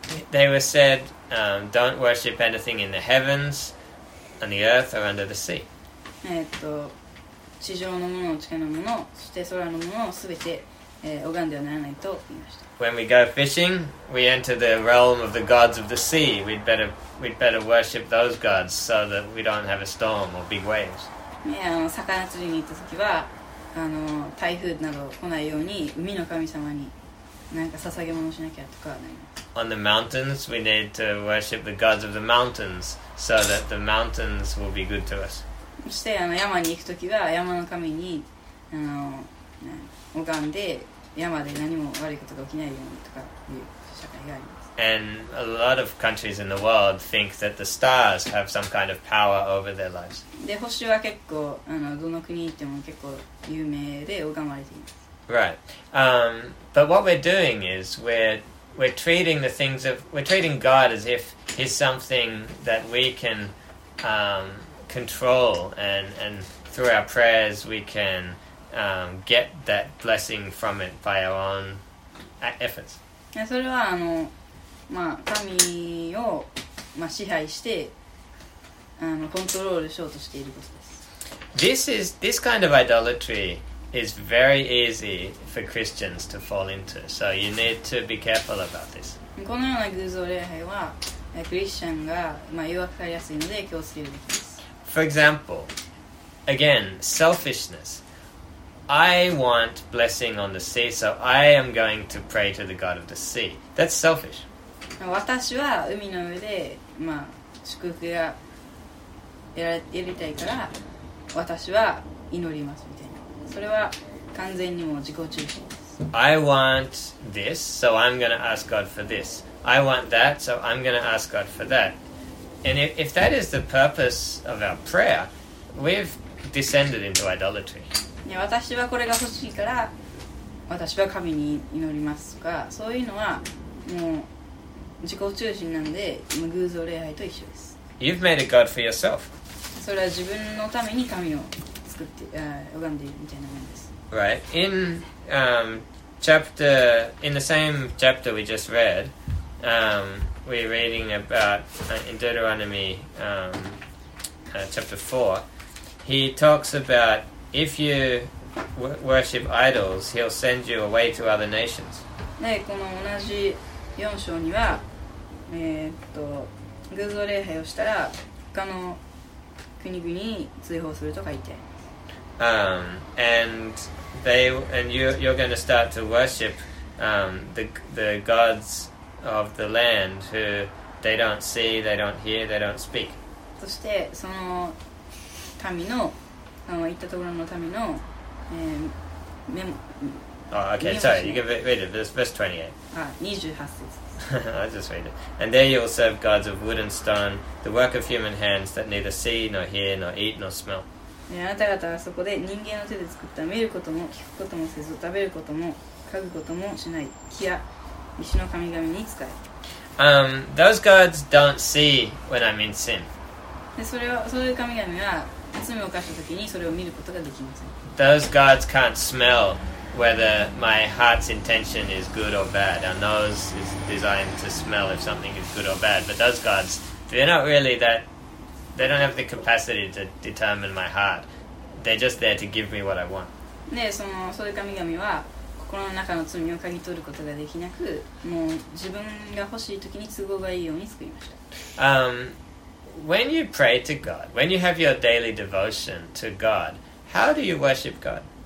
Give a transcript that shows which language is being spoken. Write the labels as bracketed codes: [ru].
[en] They were said, don't worship anything in the heavens, on the earth, or under the sea. [ja] 地上のもの、地下のもの、そして空のものをすべて拝んではならないと言いました。 [en] When we go fishing, we enter the realm of the gods of the sea. We'd better worship those gods so that we don't have a storm or big waves. [ja] 魚釣りに行った時は、台風など来ないように海の神様になんか捧げ物をしなきゃとかなります。 [en] On the mountains, we need to worship the gods of the mountains so that the mountains will be good to us. [ja] そして山に行くときは山の神に拝んで山で何も悪いことが起きないようにとかいう社会があります。 [en] And a lot of countries in the world think that the stars have some kind of power over their lives. [ja] で星は結構どの国に行っても結構有名で拝まれています。 [en] Right. But what we're doing is we're treating the things of we're treating God as if he's something that we can control and through our prayers we can get that blessing from it by our own efforts. [ja] それはまあ神を、まあ、支配してコントロールしようとしていることです。 [en] This kind of idolatry is very easy for Christians to fall into. So you need to be careful about this. [ja] このような偶像礼拝はクリスチャンが、まあ、誘惑されやすいので気をつけるべきです。 [en] For example, again, selfishness. I want blessing on the sea, so I am going to pray to the God of the sea. That's selfish. [ja] 私は海の上で、まあ、祝福が得られたいから、私は祈りますみたいな。それは完全にも自己中心です。 [en] I want this, so I'm going to ask God for this. I want that, so I'm going to ask God for that. And if that is the purpose of our prayer, we've descended into idolatry. [ja] Yeah, 私はこれが欲しいから、私は神に祈りますとか、そういうのはもう自己中心なんで、偶像礼拝と一緒です。 [en] You've made a god for yourself. [ja] それは自分のために神を作って、拝んでいるみたいなものです。 [en] Right. In the same chapter we just read, We're reading about in Deuteronomy chapter 4. He talks about if you worship idols, he'll send you away to other nations. [ja] ね、この同じ四章には、偶像礼拝をしたら他の国々に追放すると書いてあります。 [en] And you're going to start to worship the gods. Of the land, who they don't see, they don't hear, they don't speak. [ja] そしてその民の、行ったところの民の、目も。 [en] Oh, okay, sorry. You can read it. This verse 28. 28. I'll just read it. And there you will serve gods of wood and stone, the work of human hands that neither see nor hear nor eat nor smell. [ja] あなた方はそこで人間の手で作った見ることも聞くこともせず食べることも嗅ぐこともしない木や石の神々に使え。 [en] Those gods don't see when I'm in sin. [ja] で、それは、そういう神々は罪を犯した時にそれを見ることができません。 [en] Those gods can't smell whether my heart's intention is good or bad. Our nose is designed to smell if something is good or bad. But those gods, they're not really that... They don't have the capacity to determine my heart. They're just there to give me what I want. When you pray to God, when you have your daily devotion to God, how do you worship God?